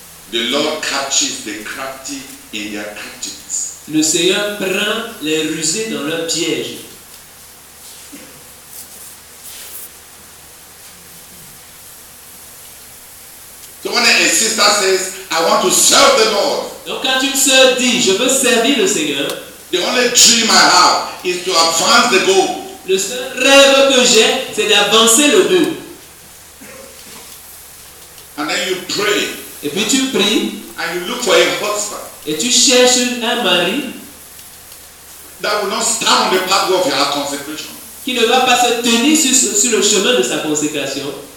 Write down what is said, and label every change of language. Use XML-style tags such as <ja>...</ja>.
<en>The Lord catches the crafty in their craftiness.</en> <fr>Le Seigneur prend les rusés dans leur piège.</fr> <en>So when a sister says, I want to serve the Lord.</en> <fr>Donc quand une sœur dit, je veux servir le Seigneur.</fr> <en>The only dream I have is to advance the goal.</en> <fr>Le seul rêve que j'ai, c'est d'avancer le but.</fr> <en>And then you pray.</en> <fr>Et puis tu pries.</fr> <en>And you look for a husband.</en> <fr>Et tu cherches un mari.</fr> <en>That will not stand on the pathway of your consecration.</en> <fr>Qui ne va pas se tenir sur le chemin de sa consécration.</fr>